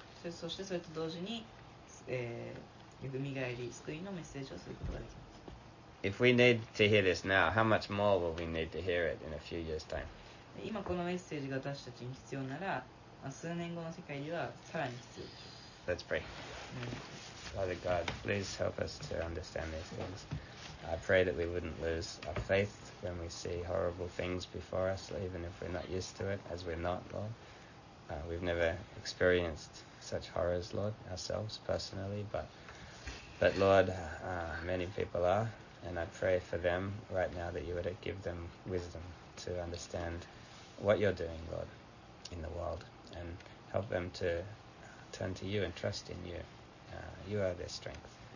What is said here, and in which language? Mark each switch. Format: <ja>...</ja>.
<ja>そしてそれと同時に、よみがえり、救いのメッセージをすることができます。</ja> <en>If we need to hear this now, how much more will we need to hear it in a few years' time?</en> <ja>今このメッセージが私たちに必要なら、数年後の世界ではさらに必要でしょう。</ja> <en>Let's pray. Father God, please help us to understand these things. I pray that we wouldn't lose our faith when we see horrible things before us, even if we're not used to it, as we're not, Lord. We've never experienced such horrors, Lord, ourselves personally, but Lord, many people are, and I pray for them right now that you would give them wisdom to understand what you're doing, Lord, in the world, and help them to turn to you and trust in you. You are their strength.</en>